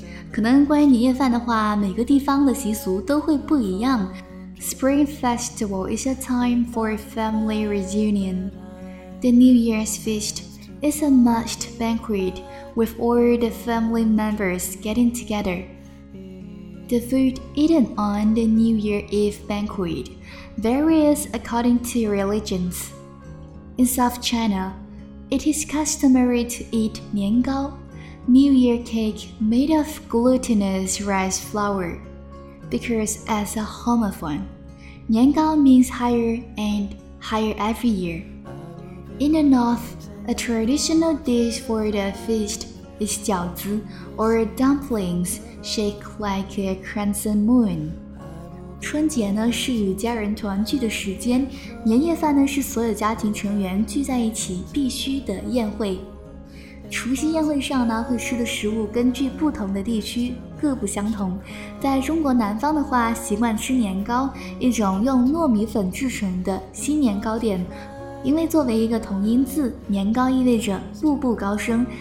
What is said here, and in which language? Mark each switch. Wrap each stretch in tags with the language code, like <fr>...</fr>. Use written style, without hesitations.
<zh>可能关于年夜饭的话，每个地方的习俗都会不一样。</zh> <en>Spring Festival is a time for family reunion. The New Year's Feast is a must banquet with all the family members getting together. The food eaten on the New Year Eve banquet varies according to religions. In South China, it is customary to eat 年糕, New Year cake made of glutinous rice flour, because as a homophone,年糕 means higher and higher every year. In the north, a traditional dish for the feast is 饺子 or dumplings shaped like a crescent moon.</en> <zh>春节呢是与家人团聚的时间，年夜饭呢是所有家庭成员聚在一起必须的宴会。除夕宴会上呢会吃的食物根据不同的地区各不相同，在中国南方的话习惯吃年糕，一种用糯米粉制成的新年糕点，因为作为一个同音字，年糕意味着步步高升。</zh>